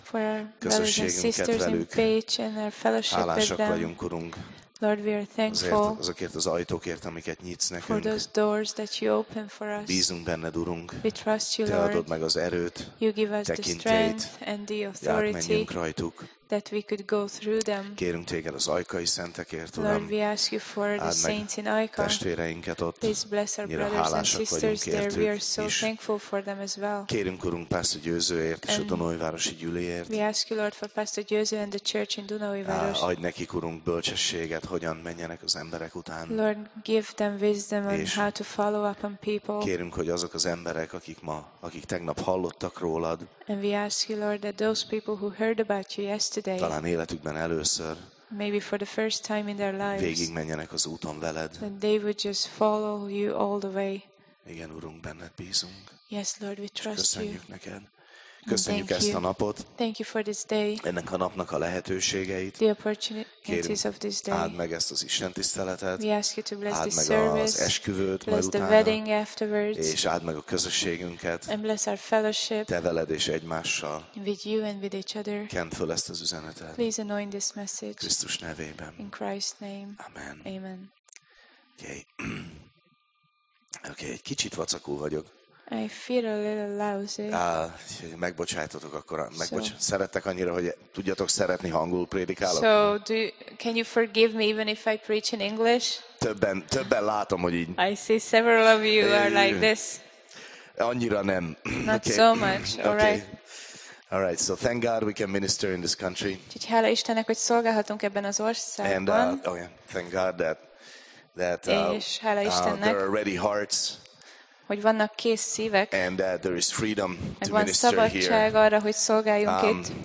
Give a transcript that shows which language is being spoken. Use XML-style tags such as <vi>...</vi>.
<en>For our brothers and sisters in Pécs and our fellowship with them.</en> <hu>Hálásak vagyunk, Urunk.</hu> <en>Lord, we are thankful</en> <hu>azokért az ajtókért, amiket nyitsz nekünk.</hu> <en>For those doors that you open for us.</en> <hu>Bízunk benned, Urunk.</hu> <en>We trust you, Lord.</en> <hu>Te adod meg az erőt,</hu> <en>you give us</en> <hu>tekintélyt,</hu> <en>the strength and the authority that we could go through them.</en> <hu>Kérünk téged az ajkai szentekért, Uram.</hu> <en>Lord, we ask you for the saints in Ajka.</en> <hu>Testvéreinket ott.</hu> <en>Please bless our brothers and sisters there. We are so thankful for them as well.</en> <hu>Kérünk, Urunk, Pásztor Győzőért és a Dunaújvárosi gyűléért.</hu> <en>We ask you, Lord, for Pastor Győző and the church in Dunaújváros.</en> <hu>Adj nekik, Urunk, bölcsességet, hogyan menjenek az emberek után.</hu> <en>Lord, give them wisdom on how to follow up on people.</en> <hu>Kérünk, hogy azok az emberek, akik tegnap hallottak rólad.</hu> <en>And we ask you, Lord, that those people who heard about you yesterday,</en> <hu>talán életükben először,</hu> <en>maybe for the first time in their lives,</en> <hu>végig menjenek az úton veled,</hu> <en>that they would just follow you all the way.</en> <hu>Igen, Urunk, benned bízunk.</hu> <en>Yes, Lord, we trust</en> <hu>köszönjük</hu> <en>you.</en> <hu>Köszönjük neked. Köszönjük ezt a napot.</hu> <en>Thank you for this day.</en> <hu>Ennek a napnak a lehetőségeit.</hu> <en>The opportunities of this day.</en> <hu>Áld meg ezt az istentiszteletet.</hu> <en>We ask you to bless</en> <hu>áld</hu> <en>this service.</en> <hu>Áld meg az esküvőt majd utána.</hu> <en>The wedding afterwards.</en> <hu>És áld meg a közösségünket.</hu> <en>And bless our fellowship.</en> <hu>Te veled és egymással.</hu> <en>With you and with each other.</en> <hu>Kent föl ezt az üzenetet.</hu> <en>Please anoint this message.</en> <hu>Krisztus nevében.</hu> <en>In Christ's name.</en> <hu>Amen.</hu> <en>Amen. Okay.</en> <hu>Okay, egy kicsit vacakul vagyok.</hu> <en>I feel a little lousy.</en> <hu>Megbocsájtatok akkor, szerettek annyira, hogy tudjatok szeretni, ha angolul prédikálok.</hu> <en>So, can you forgive me even if I preach in English?</en> <hu>Többen látom, hogy így.</hu> <en>I see several of you are like this.</en> <hu>Annyira nem.</hu> <en>Not okay. So much, all right. Okay. All right, so thank God we can minister in this country.</en> <hu>Hála Istennek, hogy szolgálhatunk ebben az országban.</hu> <en>And thank God that there are ready hearts.</en> <hu>Hogy vannak kész szívek.</hu> <en>And there is freedom to</en> <hu>van</hu> <en>minister</en> <hu>szabadság</hu> <en>here.</en> <hu>Arra, hogy szolgáljunk itt.</hu>